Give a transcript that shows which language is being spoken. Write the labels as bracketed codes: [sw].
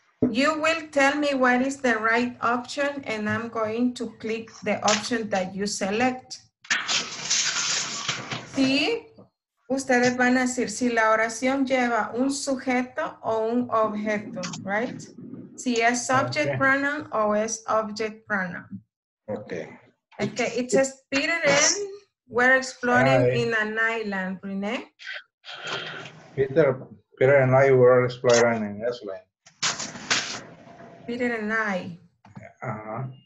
[en] You will tell me what is the right option, and I'm going to click the option that you select. [es] Sí, ustedes van a decir si la oración lleva un sujeto o un objeto, right? Si es subject pronoun o es object pronoun. [en] Okay. Okay, it says Peter and we're exploring in an island, Rene. Peter and I were exploring in an island. Peter and I. Uh-huh.